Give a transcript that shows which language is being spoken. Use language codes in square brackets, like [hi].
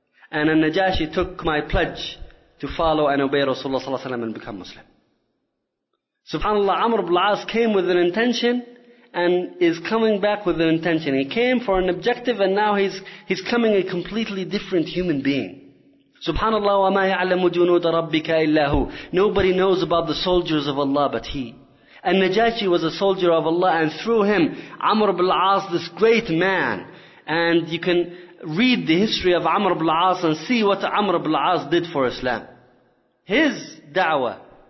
[en] And al-Najashi took my pledge to follow and obey Rasulullah sallallahu alayhi wa sallam and become Muslim. SubhanAllah, Amr ibn al-As came with an intention and is coming back with an intention. He came for an objective and now he's coming a completely different human being. [ar] SubhanAllah, وَمَا يَعْلَمُ جُنُودَ رَبِّكَ إِلَّا هُ. [en] Nobody knows about the soldiers of Allah but he. And Najashi was a soldier of Allah, and through him, Amr ibn al-As, this great man. And you can read the history of Amr ibn al-As and see what Amr ibn al-As did for Islam. His da'wah